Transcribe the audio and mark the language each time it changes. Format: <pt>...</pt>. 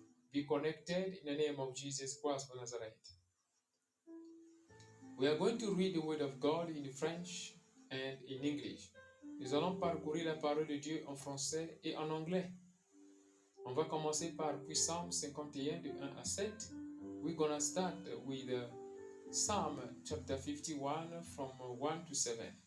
<en>Be connected in the name of Jesus Christ of Nazareth. We are going to read the word of God in French and in English.</en> <fr>Nous allons parcourir la parole de Dieu en français et en anglais. On va commencer par Psalm 51, de 1 à 7.</fr> <en>We're going to start with Psalm chapter 51, from 1 to 7.</en>